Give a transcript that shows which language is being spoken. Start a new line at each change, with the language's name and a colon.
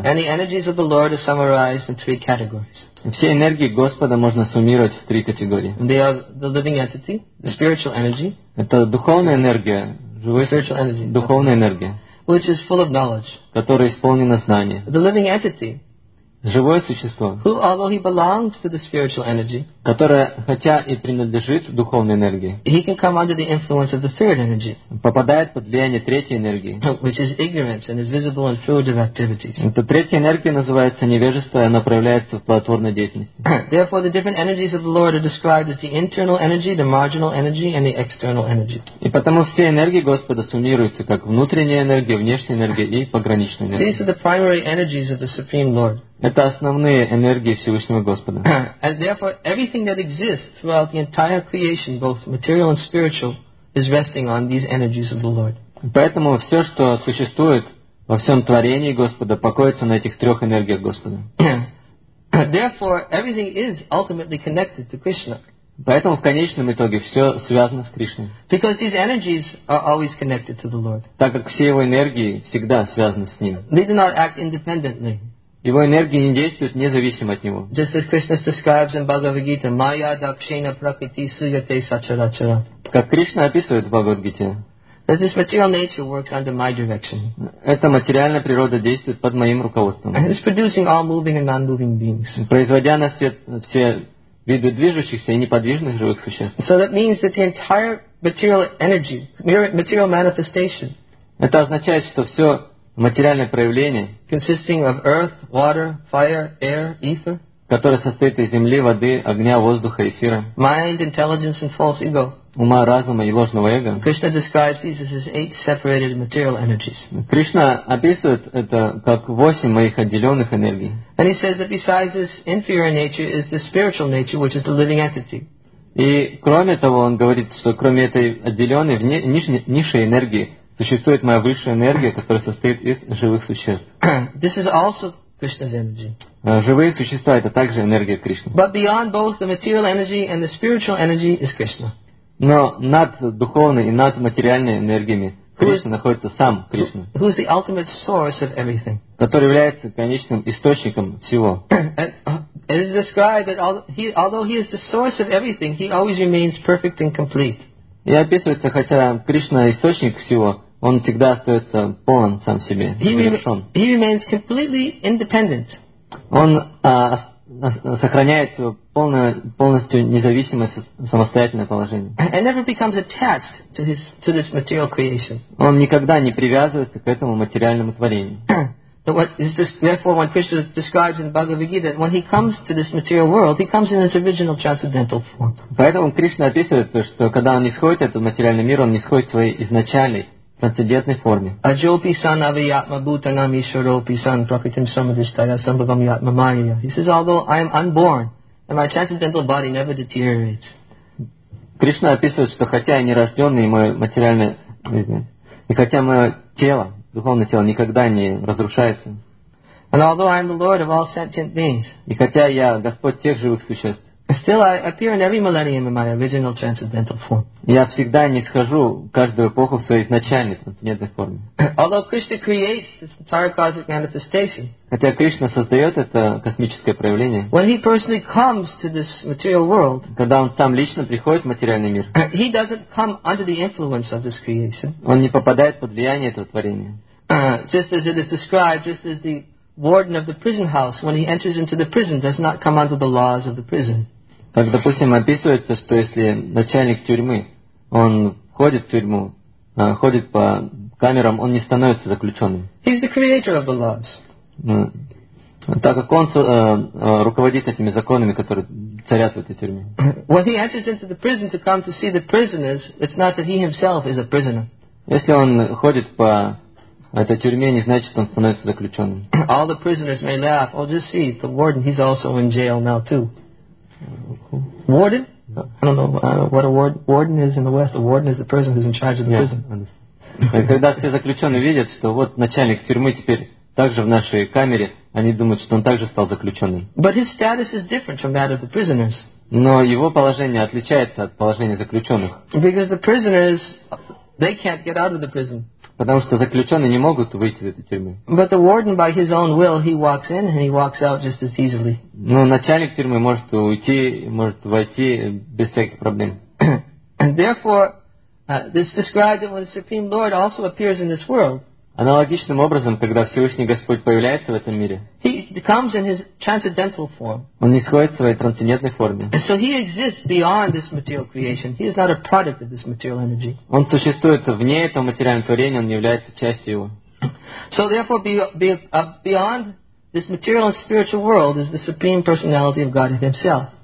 English: And the energies of the Lord are summarized in three categories.
Russian: Все энергии Господа можно суммировать в три категории.
English: They are the living entity, the spiritual energy.
Russian: Это духовная энергия, живая
English: spiritual energy,
Russian: духовная энергия.
English: Which is full of knowledge.
Russian: Которая исполнена знания.
English: The living entity.
Russian: Живое существо.
English: Who, although he belongs to the spiritual energy.
Russian: Которое, хотя и принадлежит духовной энергии.
English: He can come under the influence of the third energy.
Russian: Попадает под влияние третьей энергии.
English: Which is ignorance and is visible in fruitive activities.
Russian: Эта третья энергия называется невежество, и она проявляется в плодотворной деятельности.
English: Therefore, the different energies of the Lord are described as the internal energy, the marginal energy, and the external energy.
Russian: И потому все энергии Господа суммируются как внутренняя энергия, внешняя энергия и пограничная энергия.
English: These are the primary energies of the Supreme Lord.
Russian: Это основные энергии Всевышнего Господа.
English: And therefore, everything that exists throughout the entire creation, both material and spiritual, is resting on these energies of the Lord.
Russian: Поэтому все, что существует во всем творении Господа, покоится на этих трех энергиях Господа.
English: Therefore, everything is ultimately connected to Krishna.
Russian: Поэтому в конечном итоге все связано с Кришной.
English: Because these energies are always connected to the Lord.
Russian: Так как все его энергии всегда связаны с ним.
English: They do not act independently.
Russian: Его энергии не действуют независимо от него.
English: Just as Krishna describes in Bhagavad Gita,
Sanskrit: Maya Dakshina Prakriti Suyate Sacharachara.
Russian: Как Кришна описывает в Бхагавад Гите.
English: That this material nature works under my direction.
Russian: Эта материальная природа действует под моим руководством.
English: And it's producing all moving and non-moving beings.
Russian: Производя на свет все виды движущихся и неподвижных живых существ.
English: So that means that the entire material energy, material manifestation.
Russian: Это означает, что все материальное проявление,
English: consisting of earth, water, fire, air, ether,
Russian: которое состоит из земли, воды, огня, воздуха, эфира,
English: mind, intelligence, and false ego.
Russian: Ума, разума и ложного эго.
English: Krishna describes these as his 8 separated material energies.
Russian: Кришна описывает это как 8 моих отделенных энергий.
English: And he says that besides this inferior nature is the spiritual nature, which is the living entity.
Russian: И кроме того, он говорит, что кроме этой отделенной низшей энергии существует моя высшая энергия, которая состоит из живых существ.
English: This is also Krishna's energy.
Russian: Живые существа – это также энергия Кришны.
English: But beyond both the material energy and the spiritual energy is Krishna.
Russian: Но над духовной и над материальной энергиями Кришна находится сам Кришна.
English: Who is the ultimate source of everything?
Russian: Который является конечным источником всего.
English: And it is described that although he is the source of everything, he always remains perfect and complete.
Russian: И описывается, хотя Кришна источник всего, он всегда остается полон сам себе, завершен.
English: He remains completely independent.
Russian: Он сохраняет свое полностью независимое самостоятельное положение.
English: And never becomes attached to this material creation.
Russian: Он никогда не привязывается к этому материальному творению.
English: So what is this, therefore, when Krishna describes in Bhagavad Gita, when he comes to this material world, he comes in his original transcendental form.
Russian: Поэтому Кришна описывает, что когда он исходит этот материальный мир, он исходит в своей изначальной трансцендентной форме.
Sanskrit: Ajopi san avyatma bhutanam ishwaropi san prakritim samadhisthaya sambhavam yatma maya.
English: He says, although I am unborn, and my transcendental body never deteriorates.
Russian: Кришна описывает, что хотя я нерожденный, и мое материальное, и хотя мое тело, духовное тело никогда не разрушается.
English: And although I am the Lord of all sentient beings,
Russian: и хотя я Господь всех живых существ,
English: still I appear in every millennium in my original transcendental form.
Russian: Я всегда не схожу каждую эпоху в своей изначальной трансцендентной форме.
English: Although Krishna creates this entire cosmic manifestation,
Russian: хотя Кришна создает это космическое проявление,
English: when he personally comes to this material world,
Russian: когда он сам лично приходит в материальный мир,
English: he doesn't come under the influence of this creation.
Russian: Он не попадает под влияние этого творения.
English: Just as it is described, just as the warden of the prison house, when he enters into the prison, does not come under the laws of the prison.
Russian: Как, допустим, описывается, что если начальник тюрьмы, он входит в тюрьму, ходит по камерам, он не становится заключенным.
English: He's the creator of the laws.
Russian: Так как он руководит этими законами, которые царят в этой тюрьме.
English: When he enters into the prison to come to see the prisoners, it's not that he himself is a prisoner.
Russian: Если он ходит по этой тюрьме, не значит, он становится заключенным.
English: All the prisoners may laugh. Oh, just see, the warden, he's also in jail now too. Warden? I don't know what a warden is in the West. A warden is the person who's in charge of the prison.
Russian: Когда все заключенные видят, что вот начальник тюрьмы теперь также в нашей камере, они думают, что он также стал заключенным.
English: But his status is different from that of the prisoners.
Russian: Но его положение отличается от положения заключенных.
English: Because the prisoners, they can't get out of the prison.
Russian: Потому что заключенные не могут выйти из этой тюрьмы.
English: But the warden, by his own will, he walks in and he walks out just as easily.
Russian: Но начальник тюрьмы может уйти, может войти без всяких проблем.
English: And therefore, this described that when the Supreme Lord also appears in this world,
Russian: аналогичным образом, когда Всевышний Господь появляется в этом мире,
English: he comes in his transcendental form.
Russian: Он исходит в своей трансцендентной форме.
English: And so he exists beyond this material creation. He is not a product of this material energy.
Russian: Он существует вне этого материального творения, он не является частью его.
English: So therefore, beyond this material and spiritual world is the Supreme Personality of Godhead himself.